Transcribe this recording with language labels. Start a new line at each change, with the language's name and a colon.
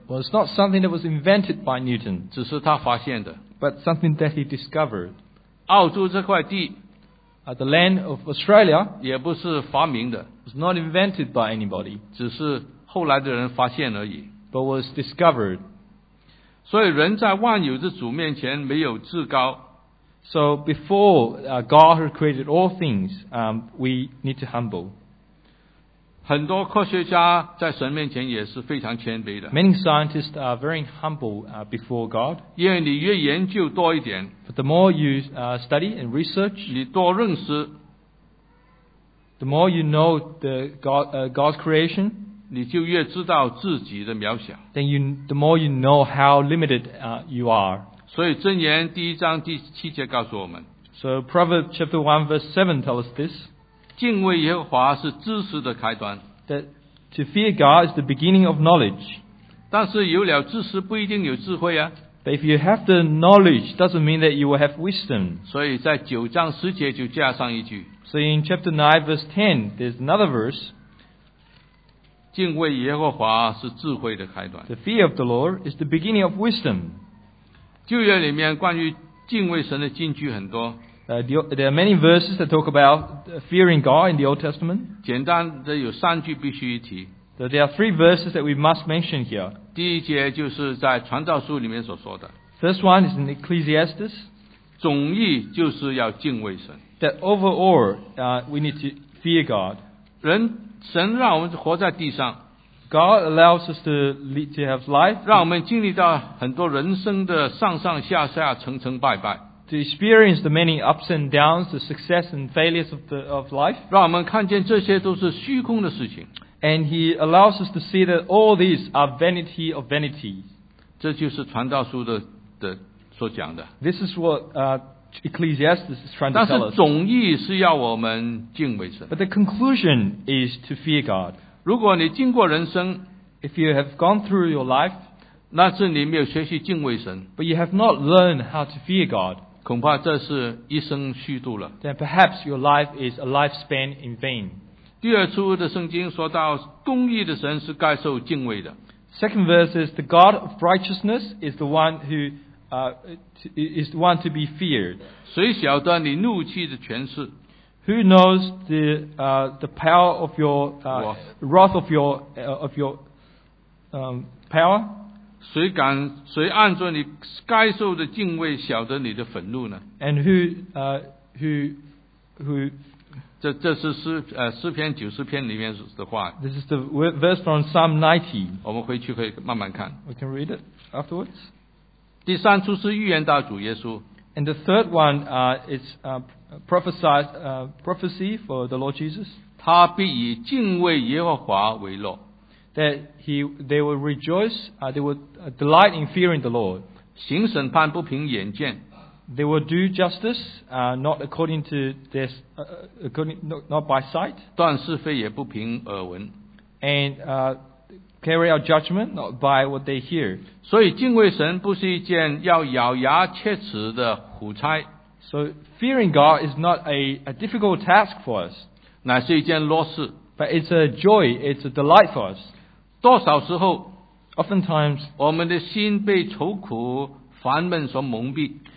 English: Well, it's not something that was invented by Newton.
Chinese: 只是他发现的。
English: But something that he discovered.
Chinese: 澳洲这块地。
English: The land of Australia.
Chinese: 也不是发明的。
English: It's not invented by anybody.
Chinese: 只是后来的人发现而已。
English: But was discovered.
Chinese: 所以人在万有的主面前没有至高。
English: So before God who created all things, we need to humble.
Chinese: 很多科学家在神面前也是非常谦卑的。
English: Many scientists are very humble before God.
Chinese: 因为你越研究多一点。
English: But the more you study and research.
Chinese: 你多认识。
English: The more you know the God, God's creation.
Chinese: 你就越知道自己的渺小。
English: Then the more you know how limited you are.
Chinese: 所以箴言第一章第七节告诉我们。
English: So Proverbs chapter 1 verse 7 tells us this.
Chinese: 敬畏耶和华是知识的开端。
English: That to fear God is the beginning of knowledge.
Chinese: 但是有了知识不一定有智慧啊。
English: But if you have the knowledge, doesn't mean that you will have wisdom.
Chinese: 所以在九章十节就加上一句。
English: So in chapter 9 verse 10, there's another verse.
Chinese: 敬畏耶和华是智慧的开端。
English: The fear of the Lord is the beginning of wisdom.
Chinese: 旧约里面关于敬畏神的金句很多。
English: There are many verses that talk about fearing God in the Old Testament.
Chinese: 简单的有三句必须一提。
English: So there are three verses that we must mention here.
Chinese: 第一节就是在传道书里面所说的。
English: First one is in Ecclesiastes.
Chinese: 总意就是要敬畏神。
English: That overall, we need to fear God.
Chinese: 神让我们活在地上。
English: God allows us to have life.
Chinese: 让我们经历到很多人生的上上下下、层层拜拜。
English: To experience the many ups and downs, the success and failures of life.
Chinese: 让我们看见这些都是虚空的事情。
English: And he allows us to see that all these are vanity of vanities.
Chinese: 这就是传道书的所讲的。
English: This is what Ecclesiastes is trying to tell us.
Chinese: 但是总意是要我们敬畏神。
English: But the conclusion is to fear God.
Chinese: 如果你经过人生
English: If you have gone through your life,
Chinese: 那是你没有学习敬畏神。
English: But you have not learned how to fear God.
Chinese: 恐怕这是一生虚度了。
English: Then perhaps your life is a lifespan in vain.
Chinese: 第二处的圣经说到，公义的神是该受敬畏的。
English: Second verse is the God of righteousness is the one who is the one to be feared.
Chinese: 谁晓得你怒气的权势？
English: Who knows the power of your wrath of your power?
Chinese: 谁按着你该受的敬畏晓得你的愤怒呢
English: ？And who who
Chinese: 这是诗篇90篇里面的话。
English: This is the verse from Psalm 90.
Chinese: 我们回去可以慢慢看。
English: We can read it afterwards.
Chinese: 第三处是预言到主耶稣。
English: And the third one, it's prophecy for the Lord Jesus.
Chinese: 他必以敬畏耶和华为乐。
English: That they will rejoice, they will delight in fearing the Lord.
Chinese: 行审判不凭眼见。
English: They will do justice, not according to this, not by sight.
Chinese: 断是非也不凭耳闻。
English: And carry out judgment not by what they hear.
Chinese: 所以敬畏神不是一件要咬牙切齿的苦差。
English: So fearing God is not a difficult task for us.
Chinese: 乃是一件乐事。
English: But it's a joy, it's a delight for us.
Chinese: 多少时候
English: ，oftentimes
Chinese: 我们的心被愁苦烦闷所蒙蔽。